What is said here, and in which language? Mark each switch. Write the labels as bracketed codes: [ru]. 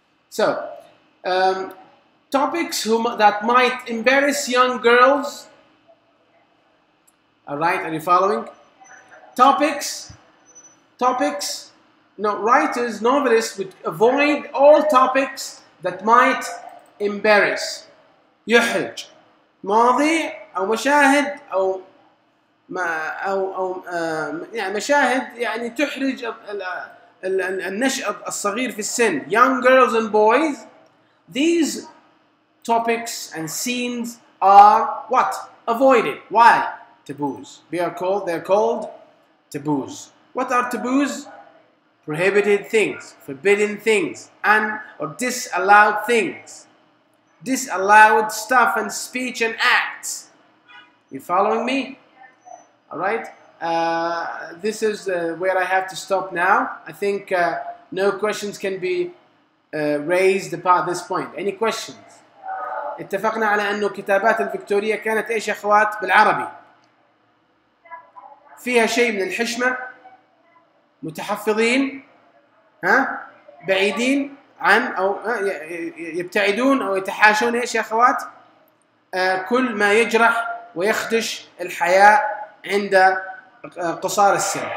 [en] So, topics that might embarrass young girls. All right, are you following? Topics. No, writers, novelists would avoid all topics that might embarrass. [ar] يحرج ماضي أو مشاهد أو ما أو يعني مشاهد يعني تحرج النشأ الصغير في السن. [en] Young girls and boys, these topics and scenes are what? Avoided. Why? Taboos. They are called taboos. What are taboos? Prohibited things, forbidden things, and or disallowed things. Disallowed stuff and speech and acts. You following me? Alright. This is where I have to stop now. I think no questions can be raised about this point. Any questions? [ar] اتفقنا على أنه كتابات الفكتورية كانت إيش أخوات بالعربي. فيها شيء من الحشمة. متحفظين. ها؟ بعيدين. عن أو يبتعدون أو يتحاشون إيش يا أخوات كل ما يجرح ويخدش الحياة عند قصار السن.